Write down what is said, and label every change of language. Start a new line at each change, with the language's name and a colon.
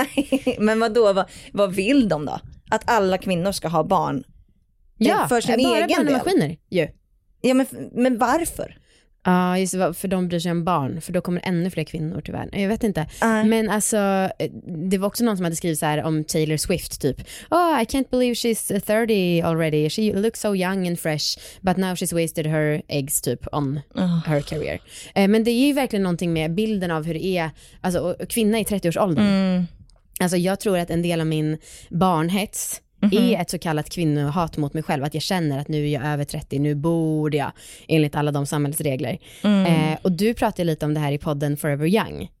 Swedish: Nej, men vadå? Vad vill de då? Att alla kvinnor ska ha barn? Ja, för sin egen del. Maskiner. Yeah. Ja, men varför? Ja, just för de bryr sig om barn. För då kommer ännu fler kvinnor tyvärr. Jag vet inte. Men alltså, det var också någon som hade skrivit så här om Taylor Swift.
English: Typ, oh, I can't believe she's 30 already. She looks so young and fresh. But now she's wasted her eggs typ on her career.
Swedish: Men det är ju verkligen någonting med bilden av hur det är. Alltså, kvinna i 30-årsåldern. Mm. Alltså, jag tror att en del av min barnhets... Mm-hmm. är ett så kallat kvinnohat mot mig själv. Att jag känner att nu är jag över 30, nu borde jag, enligt alla de samhällsregler. Och du pratade lite om det här i podden Forever Young,